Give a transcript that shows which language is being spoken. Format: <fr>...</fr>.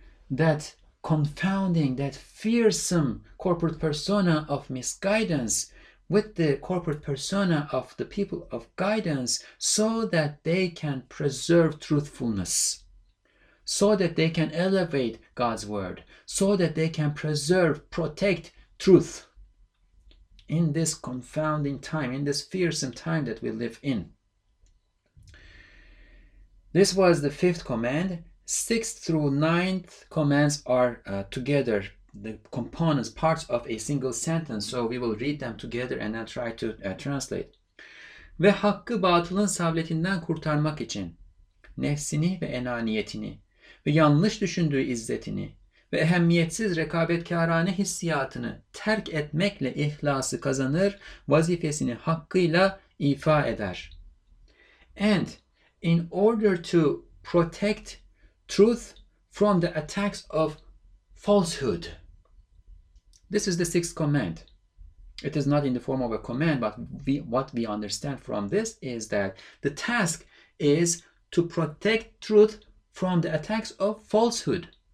<en>that confounding, that fearsome corporate persona of misguidance with the corporate persona of the people of guidance, so that they can preserve truthfulness, so that they can elevate God's word, so that they can preserve, protect truth in this confounding time, in this fearsome time that we live in. This was the fifth command. Sixth through ninth commands are together, the components, parts of a single sentence. So we will read them together and then try to translate.</en> <tr>Ve hakkı batılın savletinden kurtarmak için nefsini ve enaniyetini ve yanlış düşündüğü izzetini ve ehemmiyetsiz rekabetkârâne hissiyatını terk etmekle ihlası kazanır, vazifesini hakkıyla ifa eder.</tr> <en>And in order to protect truth from the attacks of falsehood. This is the sixth command. It is not in the form of a command, but what we understand from this is that the task is to protect truth from the attacks of falsehood.</en>